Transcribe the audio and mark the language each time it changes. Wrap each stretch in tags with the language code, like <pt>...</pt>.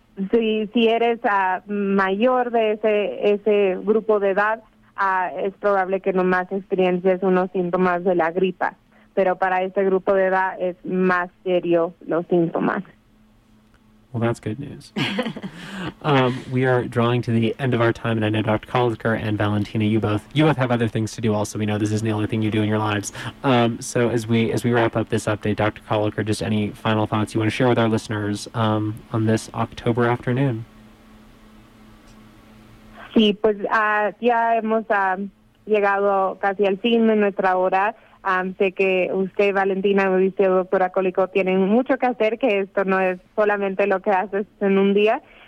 <es>Si eres mayor de ese grupo de edad, es probable que nomás experiences unos síntomas de la gripa. Pero para ese grupo de edad es más serio los síntomas.</es> <en>Well, that's good news. We are drawing to the end of our time, and I know Dr. Kalker and Valentina, you both have other things to do also. We know this isn't the only thing you do in your lives. So as we wrap up this update, Dr. Kalker, just any final thoughts you want to share with our listeners on this October afternoon?</en> <es>Sí, pues ya hemos llegado casi al fin de nuestra hora. Sé que usted, Valentina, y usted, doctora Kalker, tienen mucho que hacer, que esto no es solamente lo que haces en un día.</es>